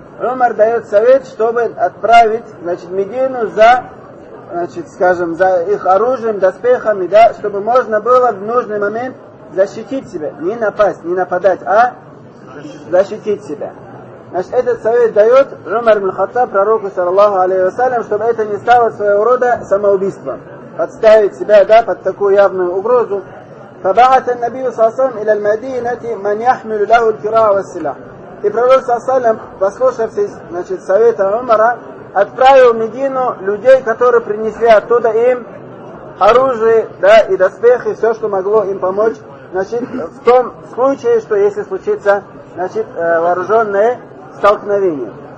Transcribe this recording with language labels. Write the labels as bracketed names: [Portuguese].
[Russian] Умар дает совет, чтобы отправить, значит, Медину за, значит, скажем, за их оружием, доспехами, да, чтобы можно было в нужный момент защитить себя, не напасть, не нападать, а защитить себя. Значит, этот совет дает Умар ибн Хаттаб пророку, саллаллаху алейхи ва саллям, чтобы это не стало своего рода самоубийством. Подставить себя, да, под такую явную угрозу. [Arabic] فبعث النبي صلى الله عليه وسلم الى المدينه من يحمل له الكراء والسلاح. [Russian] И пророк салям, послушавшись, значит, совета Умара, отправил в Медину людей, которые принесли оттуда им оружие, да, и доспехи, все, что могло им помочь, значит, в том случае, что если случится, значит, вооруженное столкновение.